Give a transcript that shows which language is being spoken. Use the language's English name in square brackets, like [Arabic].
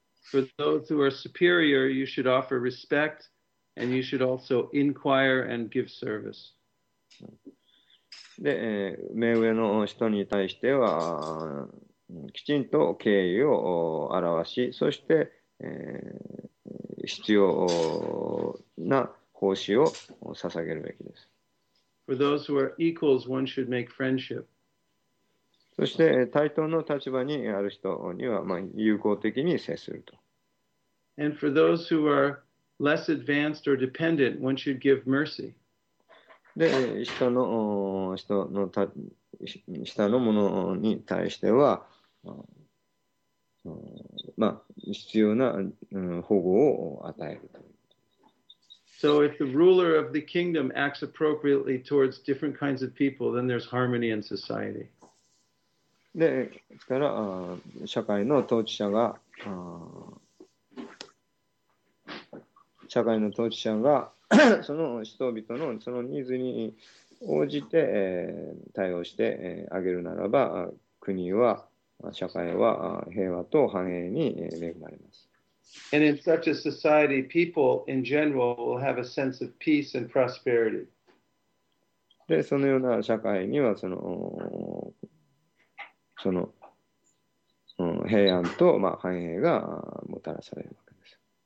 [English] For those who are superior, you should offer respect and you should also inquire and give service. [Japanese] で、目上の人に対してはきちんと敬意を表し、そして、必要な奉仕を捧げるべきです。 [English] For those who are equals, one should make friendship. [Japanese] そして、対等の立場にある人には、まあ、友好的に接すると。 [English] And for those who are less advanced or dependent, one should give mercy. [Japanese] で、下の者に対しては、まあ、必要な、保護を与えると。 [English] So if the ruler of the kingdom acts appropriately towards different kinds of people, then there's harmony in society. [Japanese] で、ですから、社会の統治者が、社会の統治者がその人々のそのニーズに応じて、対応して、あげるならば、国は、社会は平和と繁栄に恵まれます。 [English] And in such a society, people in general will have a sense of peace and prosperity. [Japanese] で、そのような社会にはその平安と、まあ、繁栄がもたらされるわけです。